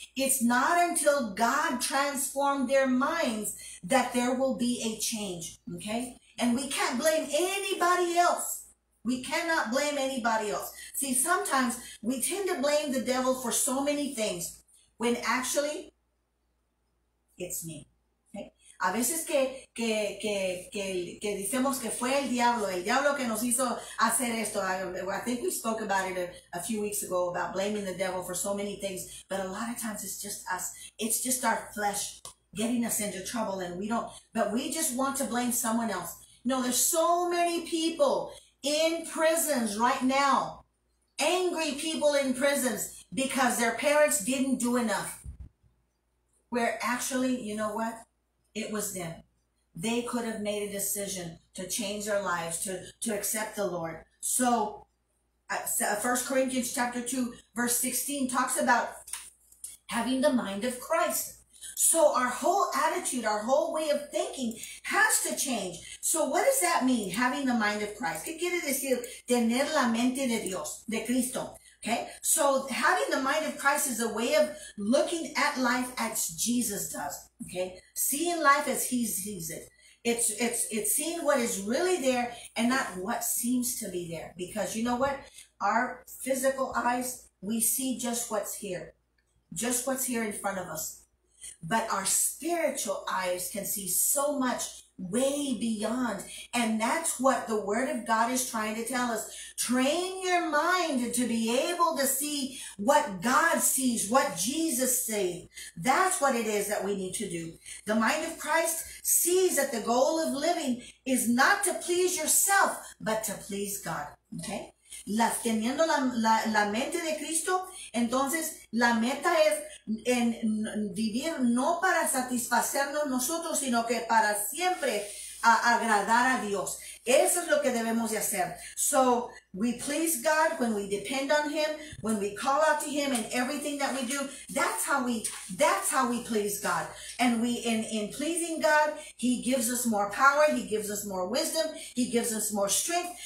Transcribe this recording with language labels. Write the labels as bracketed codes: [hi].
[en] It's not until God transformed their minds that there will be a change, okay? And we can't blame anybody else. We cannot blame anybody else. See, sometimes we tend to blame the devil for so many things when actually it's me. Okay? [es] A veces que decimos que fue el diablo que nos hizo hacer esto. [en] I think we spoke about it a few weeks ago about blaming the devil for so many things. But a lot of times it's just us. It's just our flesh getting us into trouble. But we just want to blame someone else. No, there's so many people in prisons right now, angry people in prisons because their parents didn't do enough. Where actually, you know what? It was them. They could have made a decision to change their lives, to accept the Lord. So 1 Corinthians chapter 2, verse 16 talks about having the mind of Christ. So our whole attitude, our whole way of thinking has to change. So what does that mean, having the mind of Christ? [es] ¿Qué quiere decir tener la mente de Dios, de Cristo? [en] Okay, so having the mind of Christ is a way of looking at life as Jesus does, okay? Seeing life as he sees it. It's seeing what is really there and not what seems to be there. Because you know what? Our physical eyes, we see just what's here in front of us. But our spiritual eyes can see so much way beyond. And that's what the Word of God is trying to tell us. Train your mind to be able to see what God sees, what Jesus sees. That's what it is that we need to do. The mind of Christ sees that the goal of living is not to please yourself, but to please God. Okay? [es] Teniendo la mente de Cristo, entonces la meta es en vivir no para satisfacernos nosotros, sino que para siempre agradar a Dios. Eso es lo que debemos de hacer. [en] So we please God when we depend on Him, when we call out to Him in everything that we do. That's how we please God. And we in pleasing God, He gives us more power, He gives us more wisdom, He gives us more strength.